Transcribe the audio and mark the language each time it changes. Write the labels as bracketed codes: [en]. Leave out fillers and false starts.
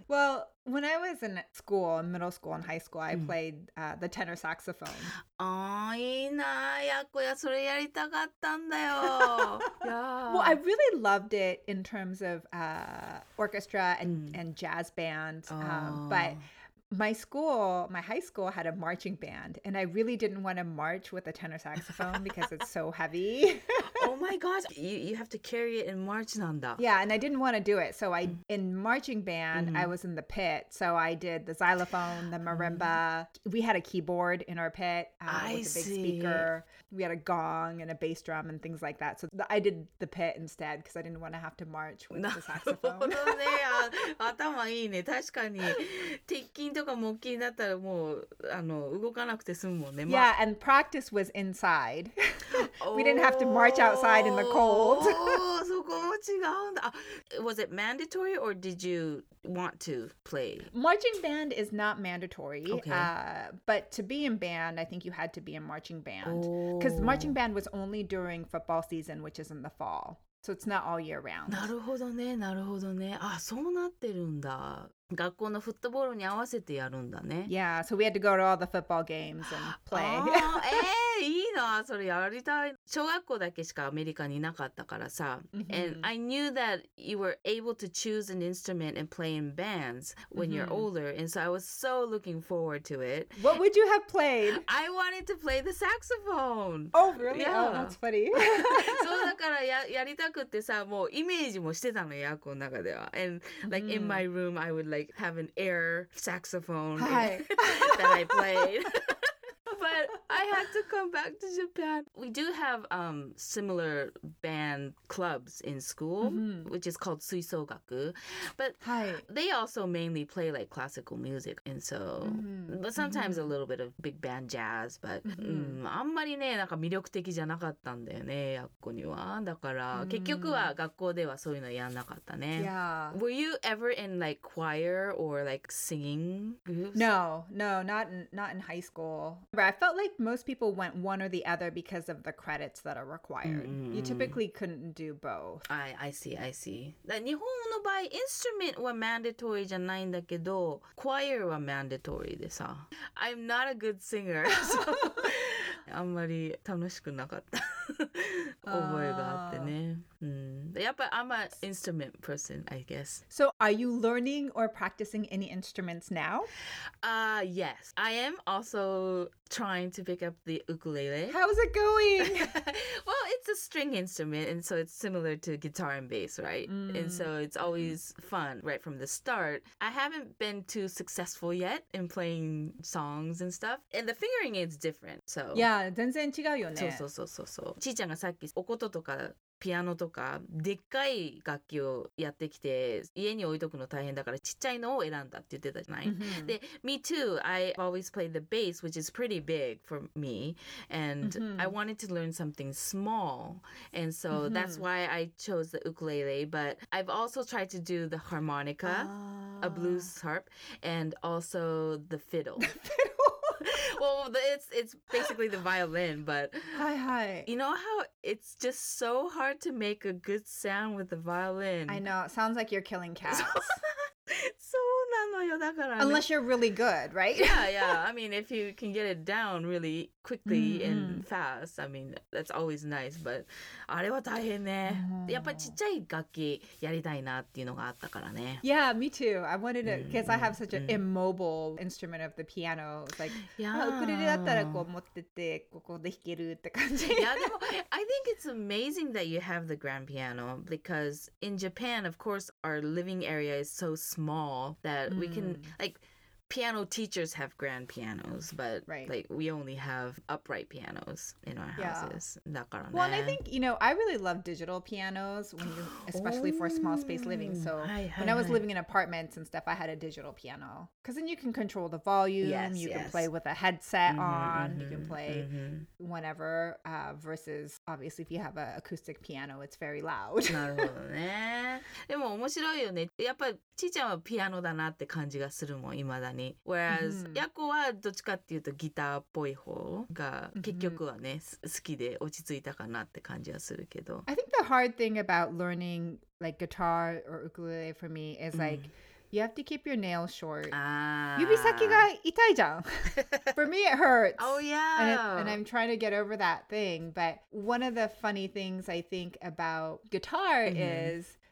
[en] Well, when I was in school, middle school and high school, I played the tenor saxophone. [ja] Oh, いいな、やっこや、それやりたかったんだよ。 [en] Well, I really loved it in terms of orchestra and,、mm. and jazz band. Oh. But my high school had a marching band, and I really didn't want to march with a tenor saxophone because it's so heavy. Oh my gosh, you have to carry it and march on that. Yeah, and I didn't want to do it. So I, in marching band, mm-hmm. I was in the pit. So I did the xylophone, the marimba. We had a keyboard in our pit with a big speaker. We had a gong and a bass drum and things like that. So I did the pit instead because I didn't want to have to march with the saxophone. [ja] なるほどね。頭いいね。確かに。鉄筋とか木筋だったらもう動かなくて済むもんね。 [en] Yeah, and practice was inside. We didn't have to march outside in the cold. [ja] そこも違うんだ。 [en] Was it mandatory or did you want to play? Marching band is not mandatory. Okay. But to be in band, I think you had to be in marching band. Oh. Because marching band was only during football season, which is in the fall. So it's not all year round. [ja] なるほどね、なるほどね。あ、そうなってるんだ。学校のフットボールに合わせてやるんだね。 [en] Yeah, so we had to go to all the football games and play. [ja] いいな、それやりたい。小学校だけしかアメリカにいなかったからさ。 Mm-hmm. [en] And I knew that you were able to choose an instrument and play in bands when mm-hmm. you're older. And so I was so looking forward to it. What would you have played? I wanted to play the saxophone. Oh, really? Yeah. Oh, that's funny. [ja] そうだから やりたくってさ、もうイメージもしてたのよ、学校の中では。 [en] And like、mm. in my room, I would like have an air saxophone、 [ja] はい、 [en] that I played. But I had to come back to Japan. We do have similar band clubs in school,、mm-hmm. which is called 吹奏楽.But、 [ja] はい、 [en] they also mainly play like classical music. And so,、mm-hmm. but sometimes、mm-hmm. a little bit of big band jazz. But、mm-hmm. [ja] あんまりね、なんか魅力的じゃなかったんだよね、学校には。だから、mm-hmm. 結局は学校ではそういうのやんなかったね。 [en] Yeah. Were you ever in like choir or like singing groups? No, not in high school. I felt like most people went one or the other because of the credits that are required. Mm-hmm. You typically couldn't do both. I see. [ja] 日本の場合、instrument は mandatory じゃないんだけど、choir は mandatory でさ。 [en] I'm not a good singer. [ja] So あんまり楽しくなかった覚えがあってね。 [en] やっぱ I'm an instrument person, I guess. So are you learning or practicing any instruments now? Yes. I am also trying to pick up the ukulele. How's it going? Well, it's a string instrument, and so it's similar to guitar and bass, right? Mm. And so it's always fun right from the start. I haven't been too successful yet in playing songs and stuff. And the fingering is different, so... [ja] Yeah, 全然違うよね。そう。ちーちゃんがさっきおこととかピアノとかでっかい楽器をやってきて家に置いとくの大変だからちっちゃいのを選んだって言ってたじゃない、mm-hmm. [en] で Me too, I always play the bass which is pretty big for me and、mm-hmm. I wanted to learn something small and so、mm-hmm. that's why I chose the ukulele but I've also tried to do the harmonica、a blues harp and also the fiddle Well, it's basically the violin, but... Hi, hi. You know how it's just so hard to make a good sound with the violin? I know. It sounds like you're killing cats. [ja] そうなのよ、だからね。 [en] Unless you're really good, right? Yeah. I mean, if you can get it down really quickly、mm-hmm. and fast, I mean, that's always nice. But [ja] あれは大変ね。やっぱちっちゃい楽器やりたいなっていうのがあったからね。 [en] Yeah, me too. I wanted to, because、mm-hmm. I have such an immobile、mm-hmm. instrument of the piano. It's like, yeah. [ja] ウクレレだったらこう持ってて、ここで弾けるって感じ。 [en] Yeah, でも、I think it's amazing that you have the grand piano, because in Japan, of course, our living area is so small that、mm. we can like piano teachers have grand pianos but、 right. like we only have upright pianos in our、yeah. [ja] houses だからね。 [en] Well and I think you know I really love digital pianos when you, especially、oh. for small space living so when I was living in apartments and stuff I had a digital piano because then you can control the volume yes, you yes. can play with a headset mm-hmm, on mm-hmm, you can play、mm-hmm. whenever、versus obviously if you have an acoustic piano it's very loud [ja] なるほどね。でも面白いよね。やっぱちーちゃんはピアノだなって感じがするもん今だに。 Whereas、mm-hmm. ヤコはどっちかっていうとギターっぽい方が結局はね、mm-hmm. 好きで落ち着いたかなって感じはするけど。 [en] I think the hard thing about learning like guitar or ukulele for me is like、mm-hmm. you have to keep your nails short. [ja] 指先が痛いじゃん。 [en] For me it hurts. Oh yeah. And I'm trying to get over that thing. But one of the funny things I think about guitar、mm-hmm. is...